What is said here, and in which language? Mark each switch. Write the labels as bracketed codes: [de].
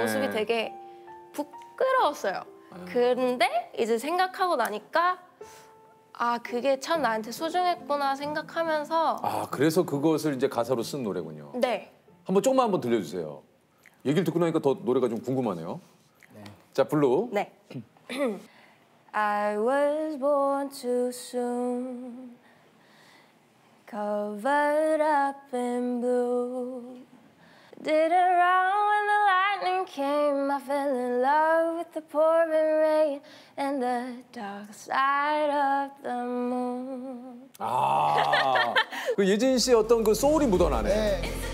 [ko] 모습이 되게 부끄러웠어요. 근데 이제 생각하고 나니까 아 그게 참 나한테 소중했구나 생각하면서 아 그래서 그것을 이제 가사로 쓴 노래군요. 네. 한번 조금만 한번 들려주세요. 얘기를 듣고 나니까 더 노래가 좀 궁금하네요. 네. 자 블루. 네. [en] I was born too soon, covered up in blue. Did it wrong when the lightning came. I fell in love with the pouring rain. And the dark side of the moon. [ko] 아, 그 예진 씨 어떤 그 소울이 묻어나네. 네.